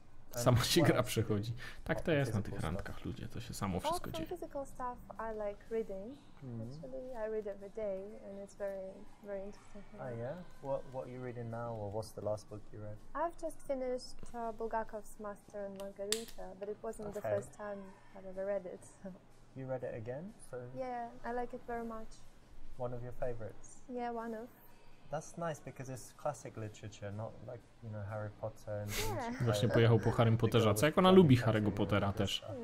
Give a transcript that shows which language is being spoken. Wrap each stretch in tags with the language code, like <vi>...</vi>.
<pl>Sama się gra przechodzi. Tak to jest na tych randkach, ludzie, to się samo wszystko dzieje.</pl> <en>Physical stuff I like reading. Actually, I read every day and it's very, very interesting. Oh yeah? What are you reading now or what's the last book you read? I've just finished Bulgakov's Master and Margarita, but it wasn't the first time I've ever read it. You read it again? So yeah, I like it very much. One of your favorites? Yeah, one of. That's nice because it's classic literature, not like, you know, Harry Potter. And</en> <pl>Właśnie pojechał po Harrym Potterze, co jak ona lubi Harry'ego Pottera też.</pl>